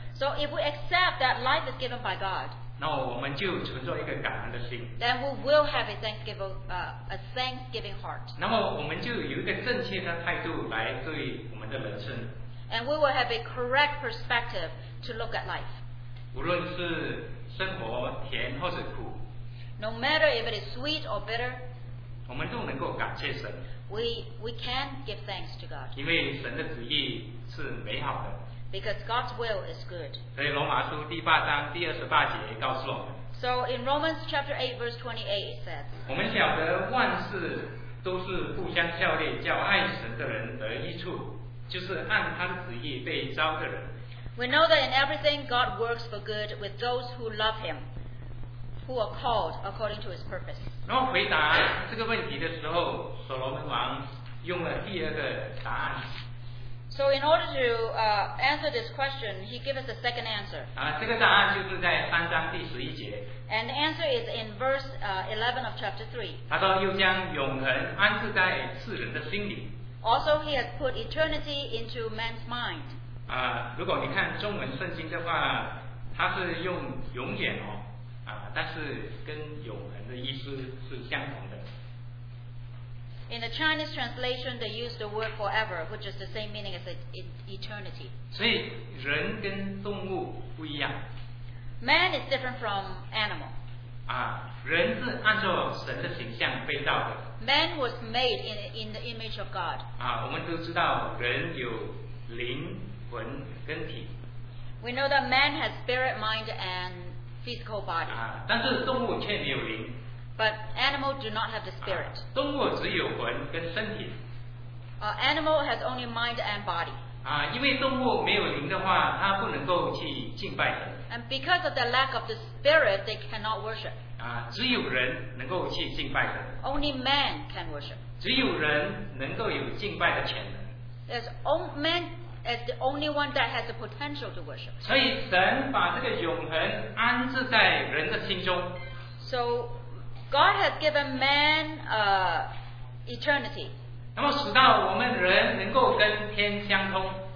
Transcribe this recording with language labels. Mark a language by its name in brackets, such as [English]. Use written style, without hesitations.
[English] So if we accept that life is given by God, [Chinese] 那我们就存着一个感恩的心。 [English] Then we will have a thanksgiving heart. [Chinese] 那么我们就有一个正确的态度来对我们的人生。 [English] And we will have a correct perspective to look at life. [Chinese] 无论是生活甜或是苦， [English] No matter if it is sweet or bitter, [Chinese] 我们都能够感谢神。 [English] We can give thanks to God. [Chinese] 因为神的旨意是美好的。 [English] Because God's will is good. [Chinese] 所以罗马书第八章第二十八节告诉我们。 [English] So in Romans chapter 8 verse 28 it says, [Chinese] 我们晓得万事都是互相效力，叫爱神的人得益处，就是按他的旨意被招的人。 [English] We know that in everything God works for good with those who love him, who are called according to his purpose. [Chinese] 然后回答这个问题的时候，所罗门王用了第二个答案。 [English] So in order to answer this question, he gives us a second answer. [Chinese] 这个答案就是在三章第十一节。 [English] And the answer is in verse 11 of chapter [Chinese] 3. 他说又将永恒安置在世人的心里。 [English] Also, he has put eternity into man's mind. [Chinese] 如果你看中文圣经的话，它是用永远哦，但是跟永恒的意思是相同的。 [English] In the Chinese translation, they use the word forever, which is the same meaning as eternity. [Chinese] 所以人跟动物不一样。 [English] Man is different from animal. [Chinese] 人是按照神的形象被造的。 [English] Man was made in the image of God. [Chinese] 我们都知道人有灵魂跟体。 [English] We know that man has spirit, mind, and physical body. [Chinese] 但是动物却没有灵。 [English] But animals do not have the spirit. [Chinese] 动物只有魂跟身体。 [English] Animal has only mind and body. [Chinese] 因为动物没有灵的话，它不能够去敬拜神。 [English] And because of the lack of the spirit, they cannot worship. [Chinese] 只有人能够去敬拜神。 [English] Only man can worship. [Chinese] 只有人能够有敬拜的潜能。 [English] Man is the only one that has the potential to worship. [Chinese] 所以神把这个永恒安置在人的心中。 [English] So,God has given man eternity. [Chinese] 那么使到我们人能够跟天相通。